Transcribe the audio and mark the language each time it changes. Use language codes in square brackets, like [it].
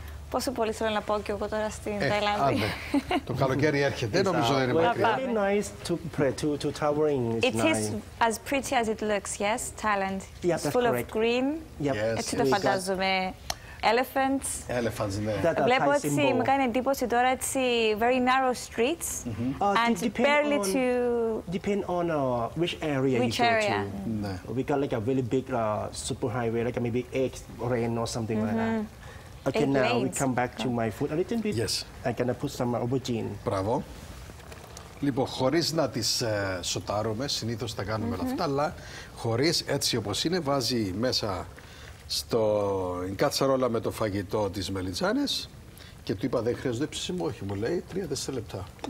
[el] Πόσο πολύ θέλω να πάω και εγώ τώρα στην Ταϊλάνδη. Άντε. Το καλοκαίρι έρχεται, νομίζω δεν είναι μακριά. [en] It's really nice to towering. It is as pretty as it looks, yes, Thailand. Yeah, it's full of green. Yep. [el] Έτσι το φαντάζομαι. Elephants. Elephants, ναι. Βλέπω ότι μου κάνει εντύπωση τώρα έτσι [en] very narrow streets and barely to... Depend on which area you go to. [el] Ναι. [en] We got like a really big super highway, like maybe eight lane or something like that. Okay, now we come back to my food a little bit. Yes. I'm gonna put some aubergine. [el] Μπράβο. Λοιπόν, χωρίς να τις σοτάρουμε, συνήθως τα κάνουμε όλα αυτά, αλλά χωρίς, έτσι όπως είναι, βάζει μέσα στην κατσαρόλα με το φαγητό της μελιτζάνες και του είπα, δεν χρειάζεται ψήσιμο, όχι, μου λέει, 3-4 λεπτά.